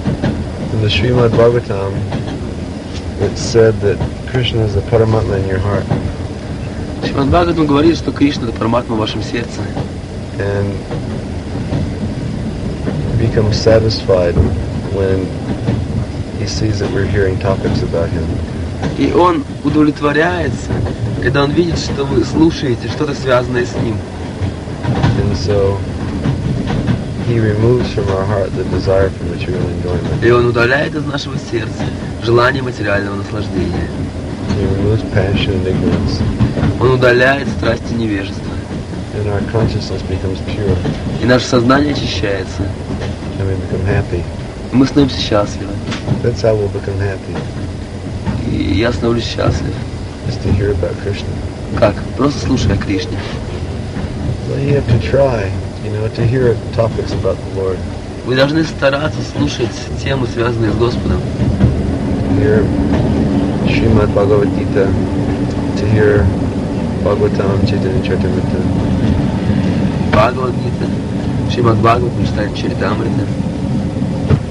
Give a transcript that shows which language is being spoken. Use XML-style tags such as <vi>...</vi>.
<en>Bhagavatam, it said that Krishna is the Paramatma in your heart.</en> <ru>Shrimad Bhagavatam говорит, что Кришна это Параматма в вашем сердце.</ru> <en>And become satisfied when he sees that we're hearing topics about him.</en> <ru>И он удовлетворяется, когда он видит, что вы слушаете что-то связанное с ним.</ru> <en>And so he removes from our heart the desire for material enjoyment.</en> <ru>И он удаляет из нашего сердца желание материального наслаждения.</ru> <en>He removes passion and ignorance.</en> <ru>Он удаляет страсти невежества.</ru> <en>And our consciousness becomes pure.</en> <ru>И наше сознание очищается.</ru> <en>And we become happy.</en> <ru>Мы становимся счастливы.</ru> <en>That's how we'll become happy.</en> <ru>И я становлюсь счастлив.</ru> <en>Just to hear about Krishna.</en> <ru>Как? Просто слушая о Кришне.</ru> <en>Well, you have to try, you know, to hear topics about the Lord.</en> <ru>Вы должны стараться слушать темы, связанные с Господом.</ru> <en>Hear Shrimad Bhagavad Gita, to hear Bhagavatam, Chaitanya Charitamrita. Bhagavad Gita, Shrimad Bhagavatam, Chaitanya Charitamrita.</en>